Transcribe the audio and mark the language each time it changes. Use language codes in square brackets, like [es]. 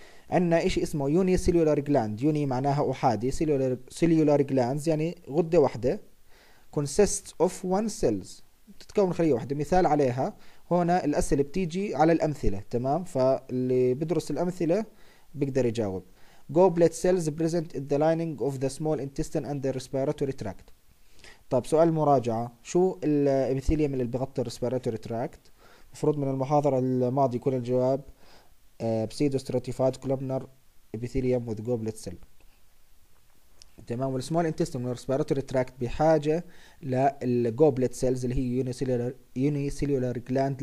[ar] عندنا إشي اسمه unicellular gland. uni معناها أحادي، cellular glands يعني غدة واحدة، [en] consists of one cells، [ar] تتكون خلية واحدة. مثال عليها هنا الأسئلة بتيجي على الأمثلة، تمام؟ فاللي بدرس الأمثلة بيقدر يجاوب. [en] goblet cells present in the lining of the small intestine and the respiratory tract. [ar] طيب، سؤال مراجعة، شو الابيثيليوم اللي بيغطي الريسبيراتوري تراكت؟ المفروض من المحاضرة الماضية يكون الجواب بسيدو ستراتيفايد كولومنر ابيثيليوم وذ goblet cell، تمام. والسمول انتستين والرسبيراتوري تراكت بحاجة للجوبلت سيلز اللي هي يونيسيلولار جلاند.